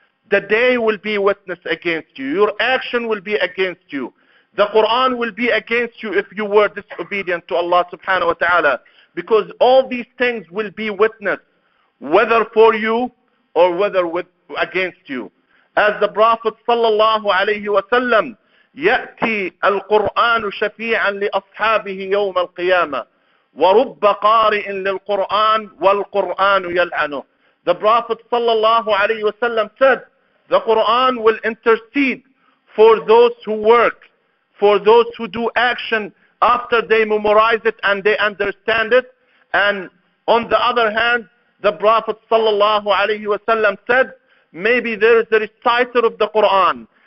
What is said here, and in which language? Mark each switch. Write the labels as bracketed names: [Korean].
[English] The day will be witness against you. Your action will be against you. The Quran will be against you if you were disobedient to Allah subhanahu wa ta'ala. Because all these things will be witnessed, whether for you or whether against you. As the Prophet sallallahu alayhi wa sallam, [Arabic] يأتي القرآن شفيعا لأصحابه يوم القيامة ورب قارئ للقرآن والقرآن يلعنه. [English] The Prophet sallallahu alayhi wa sallam said, the Quran will intercede for those who work, for those who do action after they memorize it and they understand it. And on the other hand, the Prophet sallallahu alayhi wa sallam said, maybe there is a reciter of the Quran.